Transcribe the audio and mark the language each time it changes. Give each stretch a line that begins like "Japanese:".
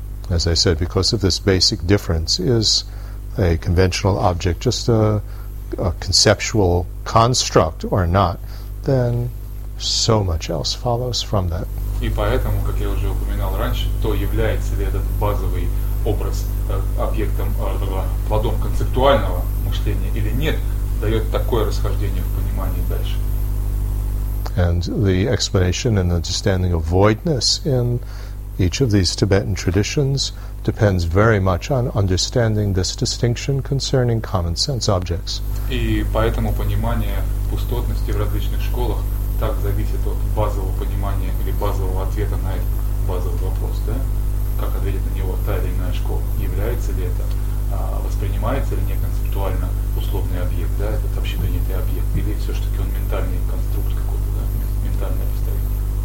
English: As I said, because of this basic difference, is a conventional object just a conceptual construct or not, then so much else follows from that.
Russian: И поэтому, как я уже упоминал раньше, то является ли этот базовый образ объектом, плодом концептуального мышления или нет, дает такое расхождение в понимании дальше.
English: And the explanation and understanding of voidness in each of these Tibetan traditions depends very much on understanding this distinction concerning common sense objects.
Russian: И поэтому понимание пустотности в различных школах так зависит от базового понимания или базового ответа на этот базовый вопрос, да? Как ответит на него та или иная школа? Является ли это, воспринимается ли неконцептуально условный объект, да, этот общепринятый объект, или все-таки он ментальный конструкт какой-то, да, ментальное построение?